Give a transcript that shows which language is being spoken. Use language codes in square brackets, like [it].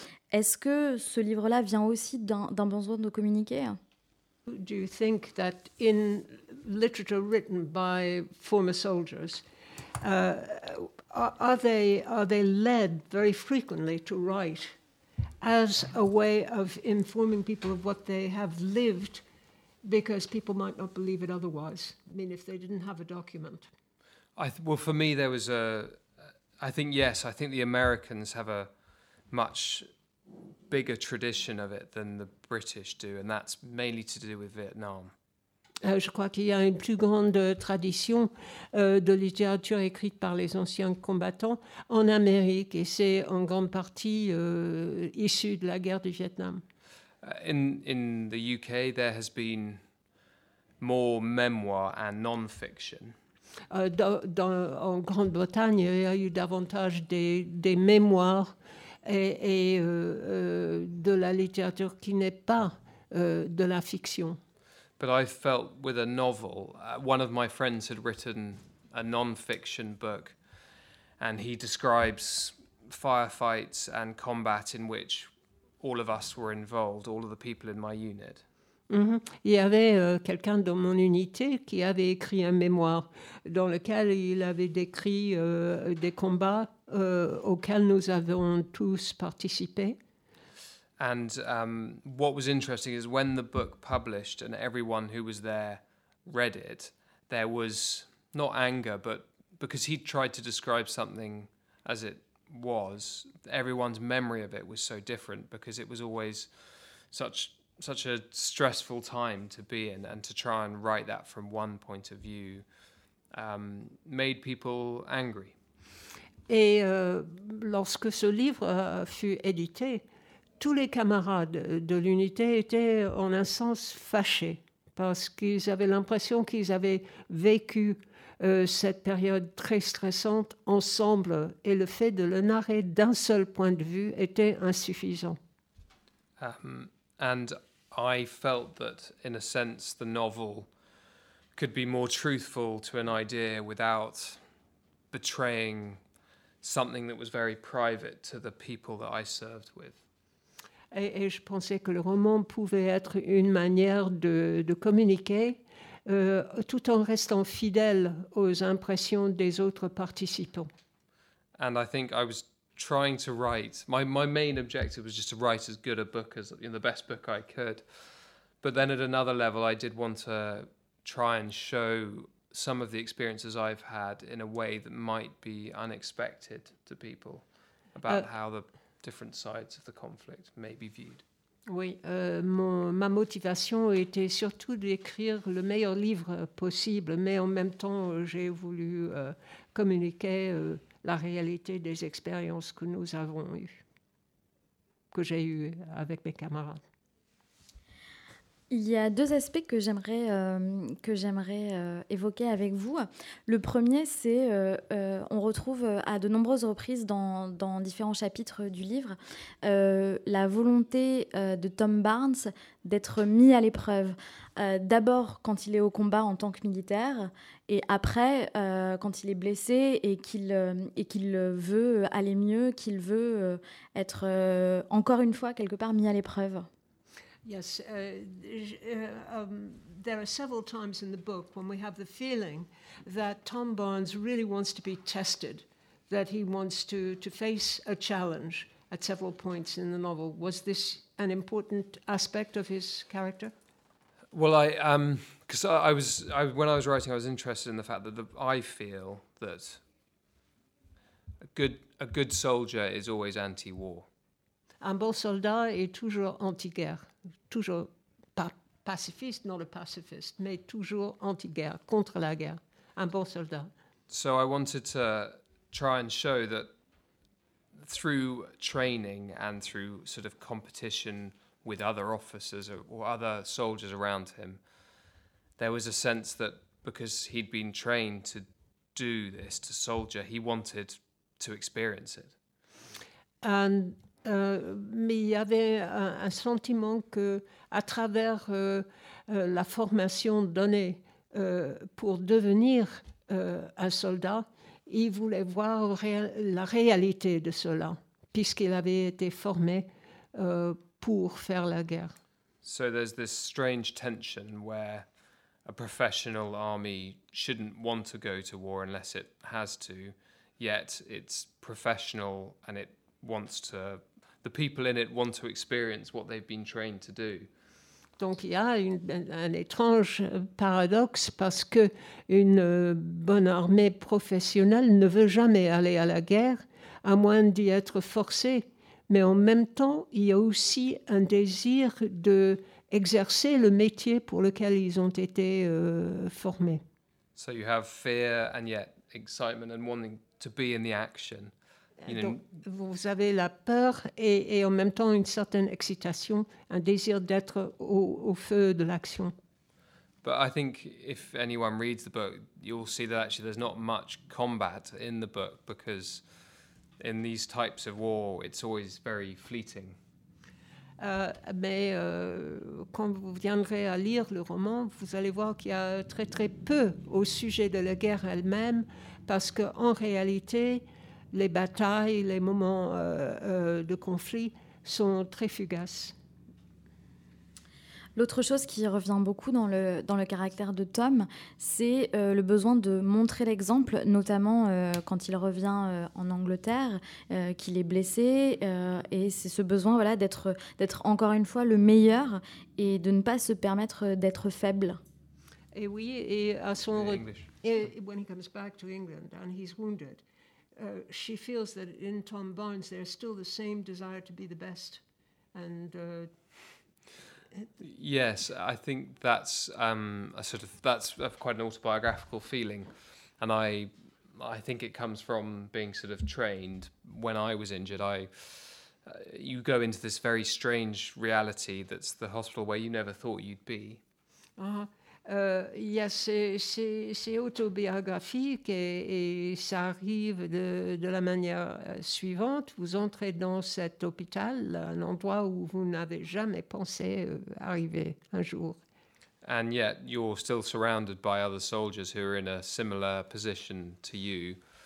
[fr] Est-ce que ce livre-là vient aussi d'un besoin de communiquer ? [en] Do you think that in literature written by former soldiers, are they led very frequently to write as a way of informing people of what they have lived, because people might not believe it otherwise? I mean, if they didn't have a document. I think the Americans have a much bigger tradition of it than the British do, and that's mainly to do with Vietnam. [fr] Je crois qu'il y a une plus grande tradition de littérature écrite par les anciens combattants en Amérique, et c'est en grande partie issu de la guerre du Vietnam. [en] In the UK, there has been more memoir and non-fiction. [fr] En Grande-Bretagne, il y a eu davantage des mémoires et de la littérature qui n'est pas de la fiction. [en] But I felt with a novel, one of my friends had written a non-fiction book, and he describes firefights and combat in which all of us were involved, all of the people in my unit. Mm-hmm. [fr] Il y avait quelqu'un dans mon unité qui avait écrit un mémoire dans lequel il avait décrit des combats auxquels nous avons tous participé. [en] And what was interesting is when the book published and everyone who was there read it, there was not anger, but because he tried to describe something as it was, everyone's memory of it was so different because it was always such a stressful time to be in, and to try and write that from one point of view made people angry. [fr] Et lorsque ce livre fut édité, tous les camarades de l'unité étaient en un sens fâchés parce qu'ils avaient l'impression qu'ils avaient vécu cette période très stressante ensemble, et le fait de le narrer d'un seul point de vue était insuffisant. [en] And I felt that, in a sense, the novel could be more truthful to an idea without betraying something that was very private to the people that I served with. [fr] Et je pensais que le roman pouvait être une manière de communiquer tout en restant fidèle aux impressions des autres participants. [en] And I think I was trying to write. My main objective was just to write as good a book as, you know, the best book I could. But then at another level, I did want to try and show some of the experiences I've had in a way that might be unexpected to people about how the different sides of the conflict may be viewed. [fr] Oui, ma motivation était surtout d'écrire le meilleur livre possible, mais en même temps, j'ai voulu communiquer la réalité des expériences que nous avons eues, que j'ai eues avec mes camarades. Il y a deux aspects que j'aimerais évoquer avec vous. Le premier, c'est on retrouve à de nombreuses reprises dans différents chapitres du livre la volonté de Tom Barnes d'être mis à l'épreuve. D'abord quand il est au combat en tant que militaire, et après quand il est blessé et qu'il veut aller mieux, qu'il veut être encore une fois quelque part mis à l'épreuve. [en] Yes, there are several times in the book when we have the feeling that Tom Barnes really wants to be tested, that he wants to face a challenge at several points in the novel. Was this an important aspect of his character? Well, I was, when I was writing, I was interested in the fact that I feel that a good soldier is always anti-war. [fr] Un bon soldat est toujours anti-guerre, toujours pas pacifiste, non le pacifiste, mais toujours anti-guerre, contre la guerre. Un bon soldat. [en] So I wanted to try and show that through training and through sort of competition with other officers or other soldiers around him, there was a sense that because he'd been trained to do this, to soldier, he wanted to experience it. And [fr] mais il y avait un sentiment que à travers la formation donnée pour devenir un soldat, il voulait voir la réalité de cela, puisqu'il avait été formé pour faire la guerre. [en] So there's this strange tension where a professional army shouldn't want to go to war unless it has to, yet it's professional and it wants to, the people in it want to experience what they've been trained to do. [fr] Donc il y a un étrange paradoxe parce que une bonne armée professionnelle ne veut jamais aller à la guerre à moins d'y être forcée. Mais en même temps, il y a aussi un désir de exercer le métier pour lequel ils ont été formés. [en] So you have fear and yet excitement and wanting to be in the action. [fr] Donc, vous avez la peur et en même temps une certaine excitation, un désir d'être au feu de l'action. [en] But I think if anyone reads the book, you'll see that actually there's not much combat in the book because in these types of war, it's always very fleeting. [fr] Mais quand vous viendrez à lire le roman, vous allez voir qu'il y a très très peu au sujet de la guerre elle-même parce qu'en réalité, les batailles, les moments de conflit sont très fugaces. L'autre chose qui revient beaucoup dans le caractère de Tom, c'est le besoin de montrer l'exemple, notamment quand il revient en Angleterre, qu'il est blessé. Et c'est ce besoin voilà, d'être encore une fois le meilleur et de ne pas se permettre d'être faible. Et oui, et à son retour. Quand il revient à l'Angleterre et qu'il est blessé. [en] She feels that in Tom Barnes there's still the same desire to be the best. And yes, I think that's a quite an autobiographical feeling, and I think it comes from being sort of trained. When I was injured, you go into this very strange reality that's the hospital where you never thought you'd be. Uh-huh. [fr] C'est autobiographique et ça arrive de la manière suivante. Vous entrez dans cet hôpital, un endroit où vous n'avez jamais pensé arriver un jour. [en] And yet, you're still surrounded by other soldiers who are in a similar position to you.